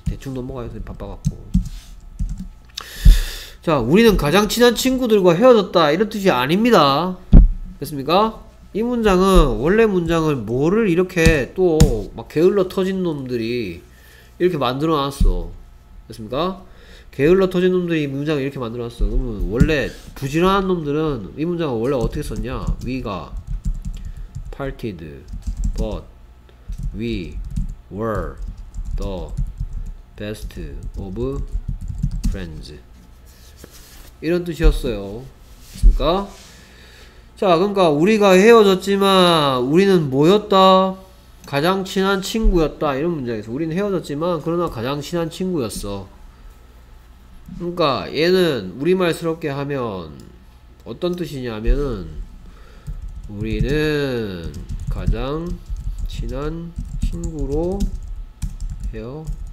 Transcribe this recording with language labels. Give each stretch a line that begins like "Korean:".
Korean: 대충 넘어가서 바빠갖고 자 우리는 가장 친한 친구들과 헤어졌다 이런 뜻이 아닙니다. 됐습니까? 이 문장은 원래 문장을 뭐를 이렇게 또 막 게을러 터진 놈들이 이렇게 만들어 놨어. 됐습니까? 게을러 터진 놈들이 이 문장을 이렇게 만들어놨어. 그러면 원래 부지런한 놈들은 이 문장을 원래 어떻게 썼냐.
English: We가 parted but we were the best of friends
Korean: 이런 뜻이었어요. 그니까 자 그러니까 우리가 헤어졌지만 우리는 뭐였다? 가장 친한 친구였다. 이런 문장에서 우리는 헤어졌지만 그러나 가장 친한 친구였어. 그러니까 얘는 우리말스럽게 하면 어떤 뜻이냐면은 우리는 가장 친한 친구로 헤어졌다.